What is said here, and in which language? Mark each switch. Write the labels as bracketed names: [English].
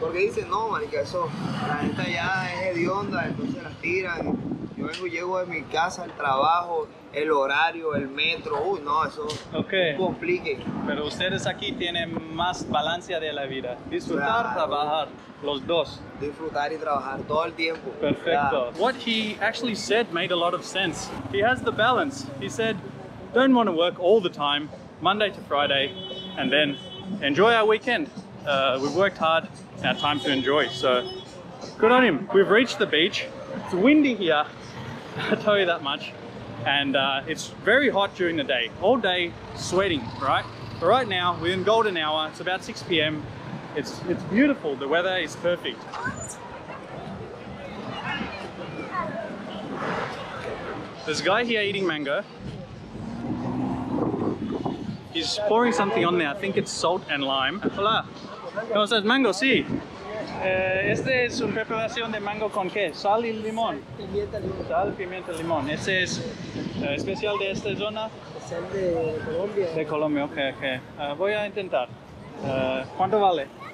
[Spanish] Porque dicen, no, marica, eso, la gente allá es hedionda, entonces las tiran. Yo vengo, llego de mi casa, el trabajo, el horario, el metro, uy, no, eso [English] okay. [Spanish] complique. Pero ustedes aquí tienen más balance de la vida, disfrutar, claro. trabajar. Los dos. Disfrutar y trabajar todo el tiempo. Perfecto. Yeah. [English] What he actually said made a lot of sense. He has the balance. He said, don't want to work all the time, Monday to Friday, and then enjoy our weekend. We've worked hard, now time to enjoy. So, good on him. We've reached the beach. It's windy here, I'll tell you that much. And it's very hot during the day. All day sweating, right? But right now, we're in golden hour. It's about 6 p.m. It's beautiful, the weather is perfect. There's a guy here eating mango. He's pouring something on there, I think it's salt and lime. [Spanish] Hola, ¿cómo estás? Mango, sí. Este es una preparación de mango con qué? Sal y limón. Sal, pimienta, limón. Este es especial de esta zona. Es el de Colombia. De Colombia, ok, ok. Voy a intentar. ¿Cuánto vale?